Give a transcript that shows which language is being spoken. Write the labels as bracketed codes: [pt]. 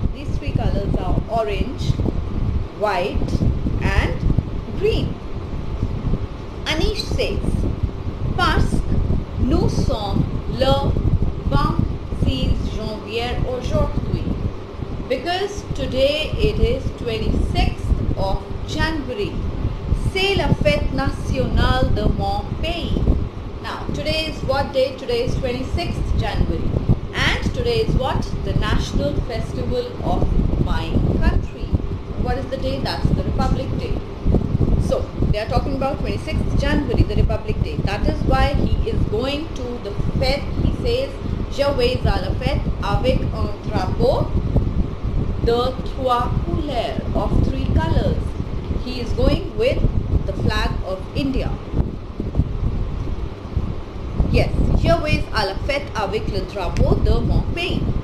[en] These three colors are orange, white, and green. Anish says, [fr] parce que nous sommes le 26 janvier aujourd'hui. [en] Because today it is 26th of January. [fr] C'est la fête nationale de mon pays. [en] Now, today is what day? Today is 26th January. And today is what? The national festival of my country. What is the day? That's the Republic Day. So, they are talking about 26th January, the Republic Day. That is why he is going to the fête. He says, [fr] je vais à la fête avec un drapeau de trois couleurs, [en] of three colors. He is going with the flag of India. [fr] Yes, je vais à la fête avec le drapeau de mon pays.